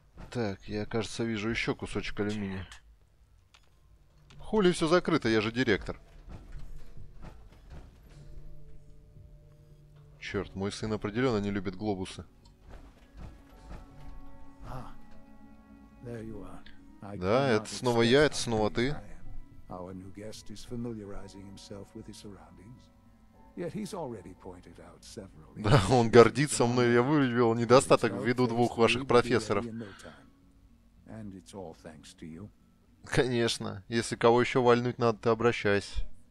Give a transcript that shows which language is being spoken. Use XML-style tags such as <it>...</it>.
<ru>Так, я, кажется, вижу еще кусочек алюминия. Хули все закрыто, я же директор. Черт, мой сын определенно не любит глобусы. Да, это снова я, это снова ты.</ru> <en>Our new guest is familiarizing himself with his surroundings. Yet he's already pointed out several.</en> <ru>Да, он гордится мной, я выявил недостаток ввиду двух ваших профессоров.</ru> <en>And it's all thanks to you.</en> <ru>Конечно, если кого еще вальнуть надо, ты обращайся.</ru>